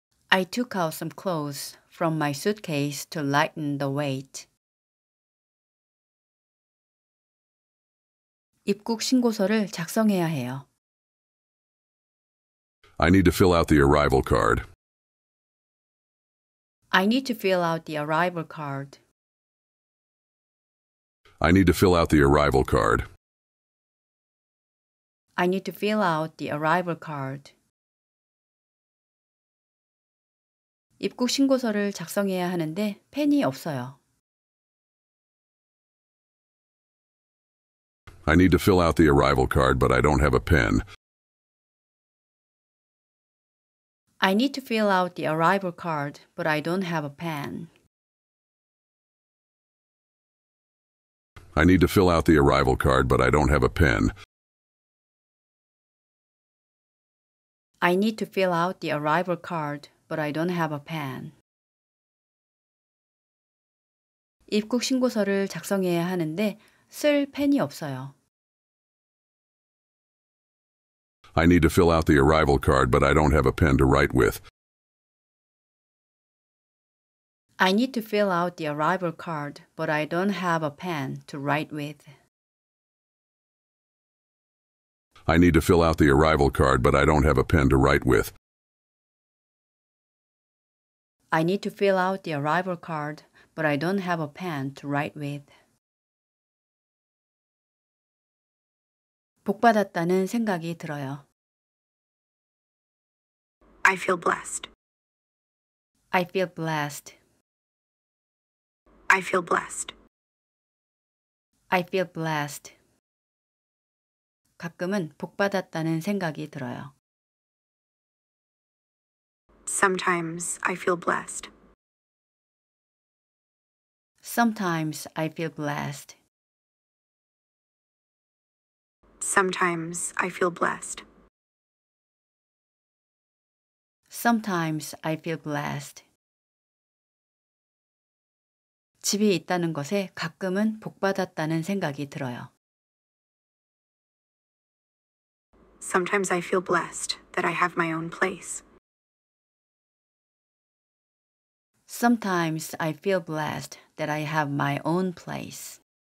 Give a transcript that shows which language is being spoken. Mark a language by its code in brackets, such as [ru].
[en] I took out some clothes from my suitcase to lighten the weight. [ko] 입국 신고서를 작성해야 해요. [en] I need to fill out the arrival card. I need to fill out the arrival card. I need to fill out the arrival card. I need to fill out the arrival card. [ko] 입국 신고서를 작성해야 하는데 펜이 없어요. [en] I need to fill out the arrival card, but I don't have a pen. I need to fill out the arrival card, but I don't have a pen. I need to fill out the arrival card, but I don't have a pen. I need to fill out the arrival card, but I don't have a pen. [ko] 입국 신고서를 작성해야 하는데 쓸 펜이 없어요. [en] I need to fill out the arrival card, but I don't have a pen to write with. I need to fill out the arrival card, but I don't have a pen to write with. I need to fill out the arrival card, but I don't have a pen to write with. I need to fill out the arrival card, but I don't have a pen to write with. [ko] 복받았다는 생각이 들어요. [en] I feel blessed. I feel blessed. I feel blessed. I feel blessed. [ko] 가끔은 복 받았다는 생각이 들어요. [en] Sometimes I feel blessed. Sometimes I feel blessed. Sometimes I feel blessed. Sometimes I feel blessed. [ko] 집이 있다는 것에 가끔은 복 받았다는 생각이 들어요. [en] Sometimes I feel blessed that I have my own place. Sometimes I feel blessed that I have my own place.